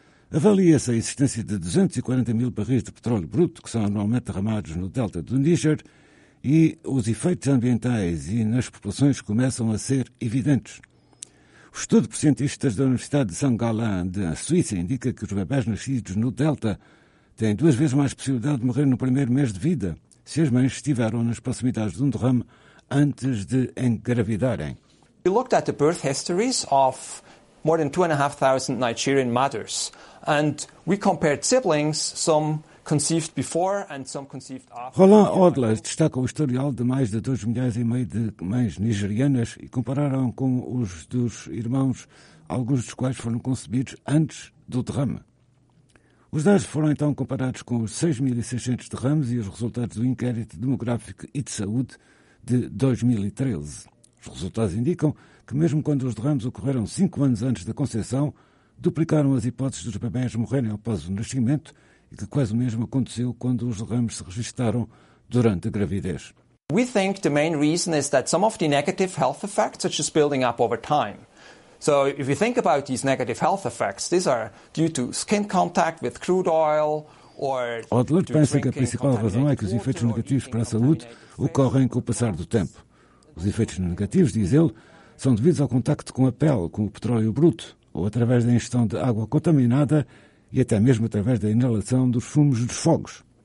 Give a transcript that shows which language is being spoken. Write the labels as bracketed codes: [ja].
[pt] Avalia-se a existência de 240 mil barris de petróleo bruto que são anualmente derramados no delta do Níger, e os efeitos ambientais e nas populações começam a ser evidentes. O estudo por cientistas da Universidade de São Galen, da Suíça, indica que os bebés nascidos no delta têm duas vezes mais possibilidade de morrer no primeiro mês de vida se as mães estiveram nas proximidades de um derrame antes de engravidarem. [en] We looked at the birth histories of more than 2,500 Nigerian mothers and we compared siblings, some conceived before and some conceived after. [pt] Roland Odler destaca o historial de mais de 2 milhões e meio de mães nigerianas e compararam com os dos irmãos, alguns dos quais foram concebidos antes do derrame. Os dados foram então comparados com os 6.600 derrames e os resultados do inquérito demográfico e de saúde de 2013. Os resultados indicam que mesmo quando os derrames ocorreram 5 anos antes da concepção, duplicaram as hipóteses dos bebés morrerem após o nascimento, e que quase o mesmo aconteceu quando os derrames se registaram durante a gravidez. [en] We think the main reason is that some of the negative health effects are just building up over time. So if you think about these negative health effects, these are due to skin contact with crude oil or [pt] Odler pensa que a principal razão é que os efeitos negativos para a saúde ocorrem com o passar do tempo. Os efeitos negativos, diz ele, são devidos ao contacto com a pele, com o petróleo bruto, ou através da ingestão de água contaminada e até mesmo através da inalação dos fumos dos fogos.